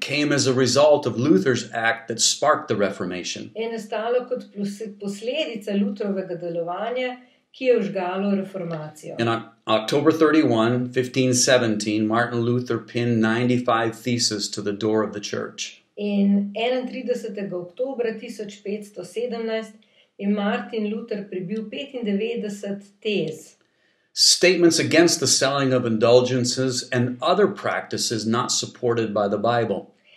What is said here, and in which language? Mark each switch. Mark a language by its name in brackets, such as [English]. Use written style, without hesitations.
[English] Came as a result of Luther's act that sparked the Reformation. [Slovenian] Je nastalo kot posledica Lutrovega delovanja, ki je vžgalo reformacijo. [English] In October 31, 1517, Martin Luther pinned 95 theses to the door of the church. [Slovenian] In 31. oktobra 1517 je Martin Luther pribil 95 tez. [English] Statements against the selling of indulgences and other practices not supported by the Bible.